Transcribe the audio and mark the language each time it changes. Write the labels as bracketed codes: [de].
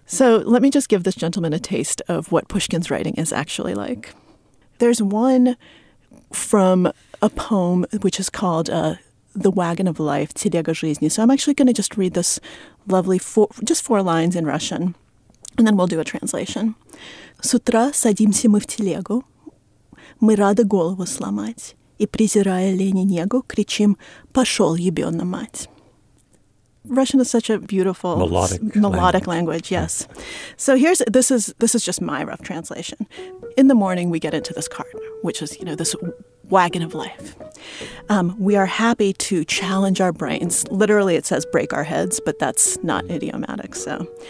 [en] So let me just give this gentleman a taste of what Pushkin's writing is actually like. There's one from a poem which is called The Wagon of Life, Telega Zhizni. So I'm actually going to just read this lovely four lines in Russian, and then we'll do a translation. [ru] С утра садимся мы в телегу, мы рады голову сломать, и, презирая лени негу, кричим «Пошел, ебёна мать!» [en] Russian is such a beautiful melodic language, yes. So this is just my rough translation. In the morning, we get into this cart, which is, you know, this wagon of life. We are happy to challenge our brains. Literally, it says break our heads, but that's not idiomatic, so.